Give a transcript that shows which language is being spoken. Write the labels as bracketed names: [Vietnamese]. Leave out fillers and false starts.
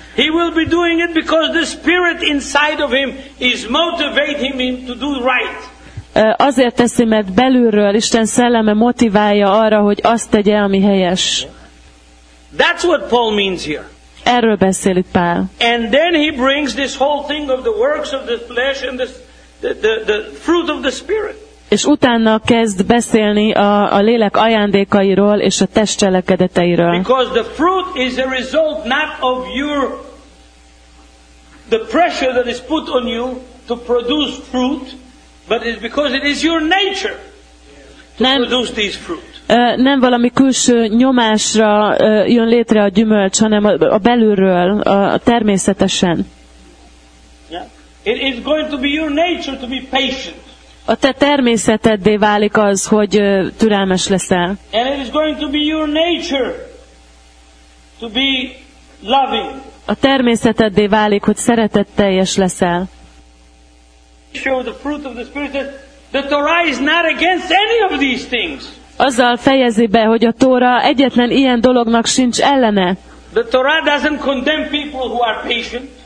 [English] He will be doing it because the spirit inside of him is motivating him to do right. [Hungarian] Azért teszi, mert belülről Isten szelleme motiválja arra, hogy azt tegye, ami helyes. [English] That's what Paul means here. [Hungarian] Erről beszél itt Pál. [English] And then he brings this whole thing of the works of the flesh and the fruit of the spirit. [Hungarian] És utána kezd beszélni a lélek ajándékairól és a test cselekedeteiről. [English] Because the fruit is a result not of your the pressure that is put on you to produce fruit, but it's because it is your nature to produce these fruit. [Hungarian] Nem valami külső nyomásra jön létre a gyümölcs, hanem a belülről, a természetesen. [English] Yeah. It is going to be your nature to be patient. [Hungarian] A te természeteddé válik az, hogy türelmes leszel. [English] And it is going to be your nature to be loving. [Hungarian] a természeteddé válik, hogy szeretetteljes leszel. [English] Show the fruit of the Spirit that the Torah is not against any of these things. [Hungarian] Azzal fejezi be, hogy a Tóra egyetlen ilyen dolognak sincs ellene. [English] The Torah doesn't condemn people who are patient.